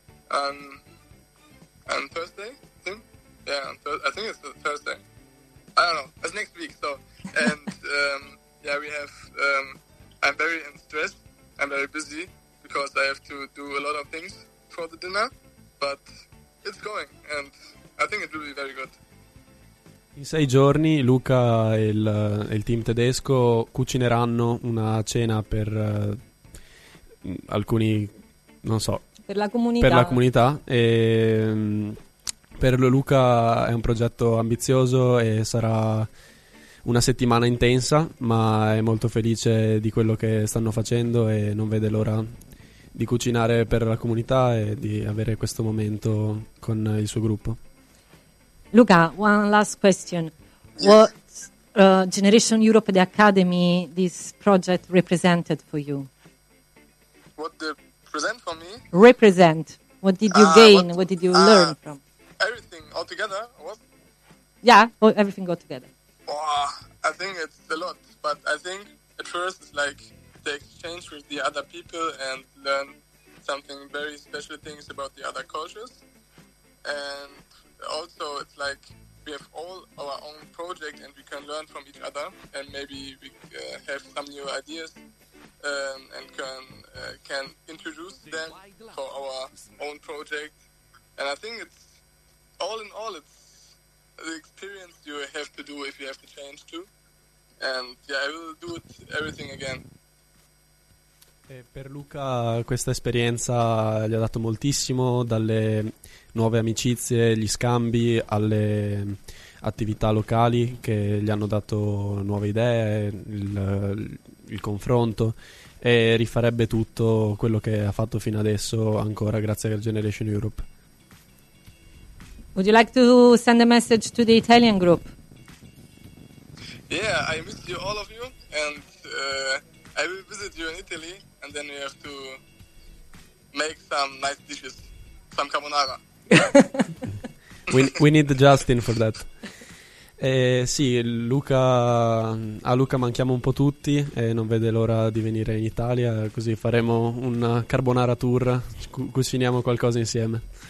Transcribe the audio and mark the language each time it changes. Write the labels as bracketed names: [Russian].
[English] On Thursday, I think. Yeah, I think it's Thursday. I don't know. It's next week. So we have. I'm very in stress. I'm very busy because I have to do a lot of things for the dinner. But it's going, and I think it will be very good. [Italian] In 6 giorni Luca e il team tedesco cucineranno una cena per alcuni, non so, per la comunità. E per Luca è un progetto ambizioso e sarà una settimana intensa, ma è molto felice di quello che stanno facendo e non vede l'ora di cucinare per la comunità e di avere questo momento con il suo gruppo. [English] Luca, one last question. What Generation Europe, the Academy, this project represented for you? What did it present for me? Represent. What did you gain? What did you learn from? Everything altogether. What? Yeah, everything got together. Oh, I think it's a lot. But I think at first it's like the exchange with the other people and learn something very special things about the other cultures. And also, it's like we have all our own project and we can learn from each other and maybe we have some new ideas and can introduce them for our own project. And I think it's all in all, it's the experience you have to do if you have to change too. And yeah, I will do it everything again. [Italian] E per Luca questa esperienza gli ha dato moltissimo, dalle nuove amicizie, gli scambi, alle attività locali che gli hanno dato nuove idee, il confronto, e rifarebbe tutto quello che ha fatto fino adesso ancora grazie a Generation Europe. [English] Would you like to send a message to the Italian group? Yeah, I miss you all of you and I will visit you in Italy. And then we have to make some nice dishes, some carbonara. we need Justin for that. [Italian] Sì, Luca, a Luca manchiamo un po' tutti e non vede l'ora di venire in Italia, così faremo una carbonara tour, cuciniamo qualcosa insieme.